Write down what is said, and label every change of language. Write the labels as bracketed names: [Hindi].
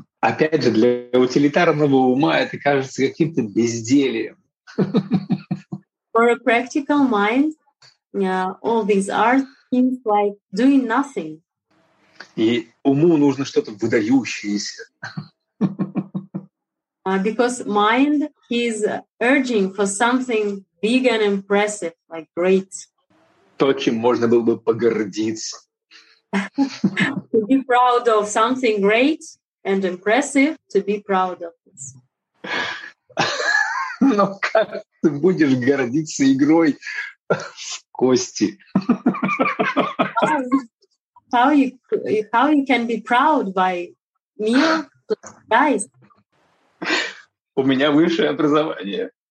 [Russian] Опять же, для утилитарного ума это кажется каким-то безделием. [English] For a practical mind, all these arts seem like doing nothing. [Russian] И уму нужно что-то выдающееся. [English] Because mind is urging for something big and impressive, like great. [Russian] То, чем можно было бы погордиться. [English] To be proud of something great and impressive, to be proud of this. [Russian] Но как ты будешь гордиться игрой в кости? [English] How you can be proud by mere dice? [Russian] У меня высшее образование.